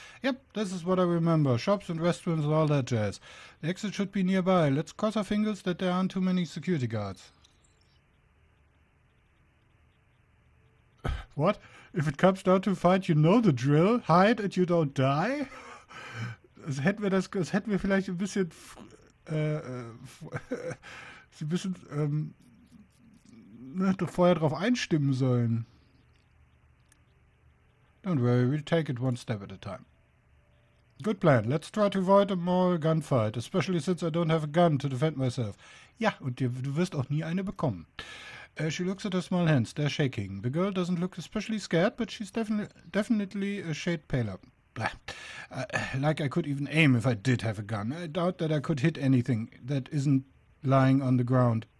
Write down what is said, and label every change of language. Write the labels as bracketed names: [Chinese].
[English] Yep, this is what I remember. Shops and restaurants and all that jazz. The exit should be nearby. Let's cross our fingers that there aren't too many security guards. What? If it comes down to fight, you know the drill. Hide and you don't die. [German] Das hätten wir das hätten wir vielleicht ein bisschen sie ein bisschen doch vorher drauf einstimmen sollen. [English] Don't worry, we'll take it one step at a time. Good plan. Let's try to avoid a mall gunfight, especially since I don't have a gun to defend myself. [German] Ja, und du wirst auch nie eine bekommen. [English] She looks at her small hands. They're shaking. The girl doesn't look especially scared, but she's definitely a shade paler. Blah. Like I could even aim if I did have a gun. I doubt that I could hit anything that isn't lying on the ground.